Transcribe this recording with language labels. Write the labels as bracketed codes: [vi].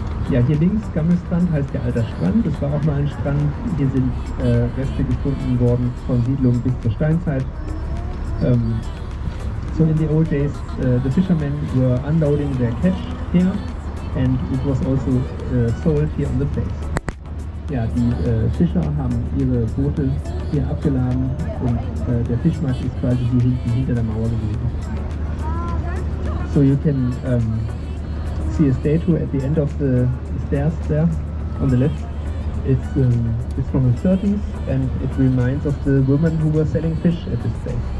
[de] Ja, hier links, Gammelstrand, heißt der alte Strand. Das war auch mal ein Strand. Hier sind Reste gefunden worden von Siedlungen bis zur Steinzeit. [en] So in the old days, the fishermen were unloading their catch here and it was also sold here on the place. [de] Ja, die Fischer haben ihre Boote hier abgeladen und der Fischmarkt ist quasi hier hinten hinter der Mauer gewesen. [en] So you can see a statue at the end of the stairs there on the left. It's from the 30s and it reminds of the women who were selling fish at this place.